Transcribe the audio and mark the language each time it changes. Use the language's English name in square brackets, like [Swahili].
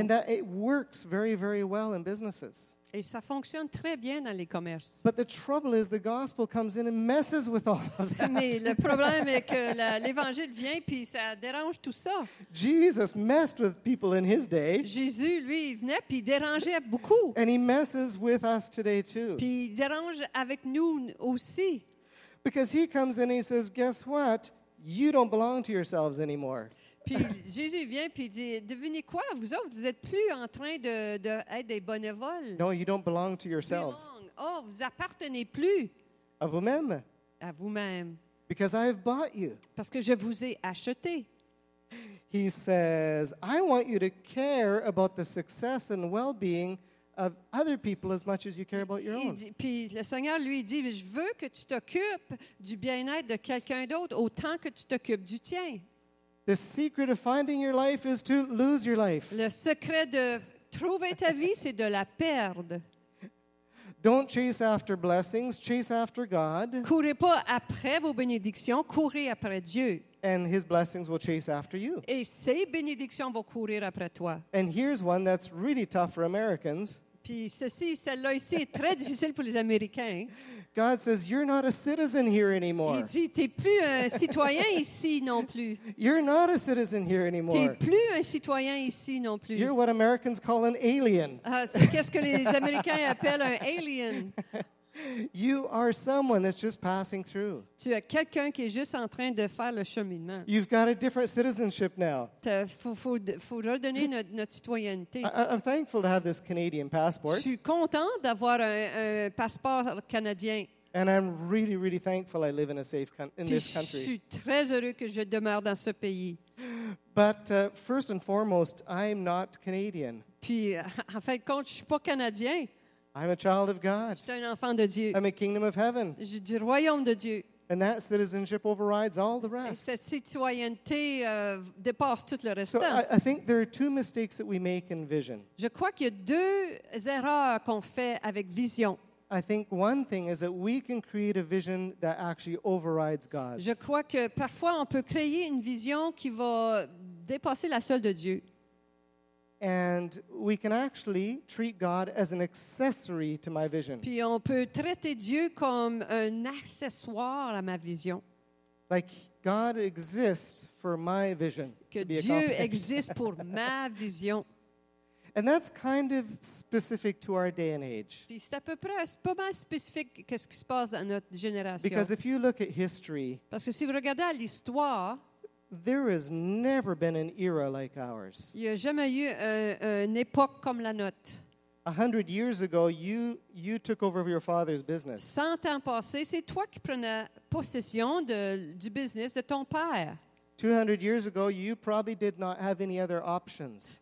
[English] And that it works very, very well in businesses. [French] Et ça fonctionne très bien dans les commerces. [English] But the trouble is the gospel comes in and messes with all of that. [French] Mais le problème est que l'évangile vient puis ça dérange tout ça. [English] Jesus messed with people in his day. [French] Jésus, lui, il venait puis il dérangeait beaucoup. [English] And he messes with us today too. [French] Puis il dérange avec nous aussi. [English] Because he comes in and he says, guess what? you don't belong to yourselves anymore. [French] Puis Jésus vient puis dit, devinez quoi, vous autres, vous êtes plus en train de être des bénévoles. [English] No, you don't belong to yourselves. [French] Oh, vous appartenez plus. À vous-même. À vous-même. [English] Because I have bought you. [French] Parce que je vous ai acheté. [English] He says, I want you to care about the success and well-being of other people as much as you care about your own. [French] Puis le Seigneur lui dit, je veux que tu t'occupes du bien-être de quelqu'un d'autre autant que tu t'occupes du tien. [English] The secret of finding your life is to lose your life. [French] Le secret de trouver ta vie, c'est de la perdre. [English] Don't chase after blessings, chase after God. [French] Courez pas après vos bénédictions, courez après Dieu. [English] And his blessings will chase after you. [French] Et ses bénédictions vont courir après toi. [English] And here's one that's really tough for Americans. [French] Puis ceci, celle-là ici est très difficile pour les Américains. [English] God says, you're not a citizen here anymore. [French] Il dit, t'es plus un citoyen ici non plus. [English] You're not a citizen here anymore. [French] T'es plus un citoyen ici non plus. [English] You're what Americans call an alien. [French] Qu'est-ce que les Américains appellent un alien? [English] You are someone that's just passing through. [French] Tu es quelqu'un qui est juste en train de faire le cheminement. [English] You've got a different citizenship now. [French] Faut redonner notre citoyenneté. [English] I'm thankful to have this Canadian passport. [French] Je suis content d'avoir un passeport canadien. [English] And I'm really, really thankful I live in a safe in this country. [French] Je suis très heureux que je demeure dans ce pays. [English] But first and foremost, I'm not Canadian. [French] Puis en fin de compte, je suis pas canadien. [English] I'm a child of God. [French] Je suis un enfant de Dieu. [English] I'm a kingdom of heaven. [French] Je suis du royaume de Dieu. [English] And that citizenship overrides all the rest. [French] Et cette citoyenneté dépasse tout le restant. [English] So I think there are two mistakes that we make in vision. [French] Je crois qu'il y a deux erreurs qu'on fait avec vision. [English] I think one thing is that we can create a vision that actually overrides God's. [French] Je crois que parfois on peut créer une vision qui va dépasser la seule de Dieu. [English] And we can actually treat God as an accessory to my vision. [French] Puis on peut traiter Dieu comme un accessoire à ma vision. [English] Like God exists for my vision. [French] Que Dieu existe pour ma vision. [English] And that's kind of specific to our day and age. [French] Puis c'est à peu près, c'est pas mal spécifique qu'est-ce qui se passe dans notre génération. [English] Because if you look at history, [French] parce que si vous regardez à l'histoire, [English] there has never been an era like ours. [French] Il n'y a jamais eu une époque comme la nôtre. [English] 100 years ago, you took over your father's business. [French] 100 ans passés, c'est toi qui prenais possession du business de ton père. [English] 200 years ago, you probably did not have any other options.